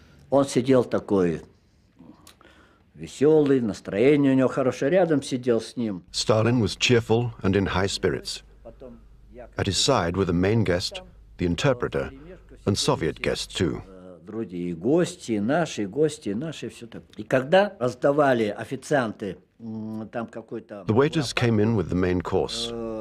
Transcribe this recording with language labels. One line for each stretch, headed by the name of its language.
Russian: Он сидел такой веселый, настроение у него хорошее, рядом сидел с ним.
English: Stalin was cheerful and in high spirits. At his side were the main guest, the interpreter, and Soviet guests too.
Russian: Другие гости, наши гости, наши все так. И когда раздавали официанты там какой-то.
English: The waiters came in with the main course.